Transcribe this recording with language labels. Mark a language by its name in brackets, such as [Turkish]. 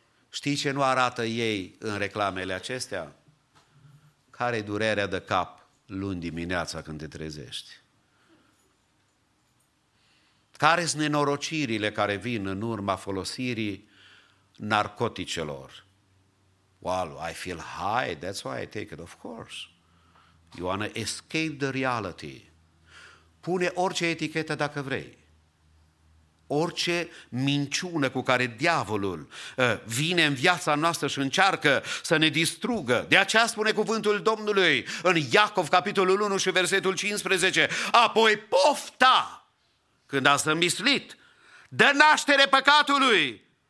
[Romanian] Știți ce nu arată ei în reclamele acestea? Care-i durerea de cap luni dimineața când te trezești? Care-s nenorocirile care vin în urma folosirii narcoticelor? [English] Well, I feel high, that's why I take it, of course. You want to escape the reality. [Romanian] Pune orice etichetă dacă vrei. Orice minciună cu care diavolul vine în viața noastră și încearcă să ne distrugă. De aceea spune cuvântul Domnului în Iacov, capitolul 1 și versetul 15. Apoi pofta, când a zămislit, dă naștere păcatului.